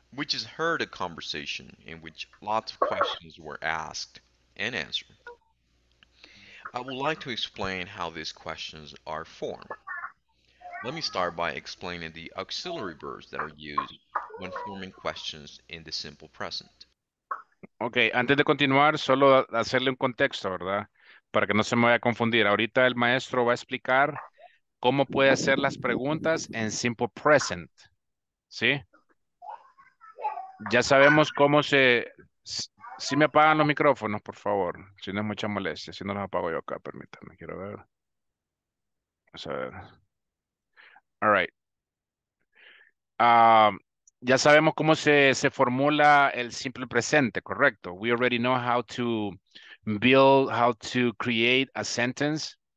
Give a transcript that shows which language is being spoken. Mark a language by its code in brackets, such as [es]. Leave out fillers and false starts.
[en] We just heard a conversation in which lots of questions were asked and answered. I would like to explain how these questions are formed. Let me start by explaining the auxiliary verbs that are used when forming questions in the simple present. [es] Okay, antes de continuar, solo hacerle un contexto, ¿verdad? Para que no se me vaya a confundir. Ahorita el maestro va a explicar cómo puede hacer las preguntas en simple present. ¿Sí? Ya sabemos cómo se... Si me apagan los micrófonos, por favor. Si no es mucha molestia. Si no los apago yo acá, permítanme. Quiero ver. Vamos a ver. [en] All right. [es] Ya sabemos cómo se formula el simple presente, correcto. [en] We already know how to build, how to create a sentence.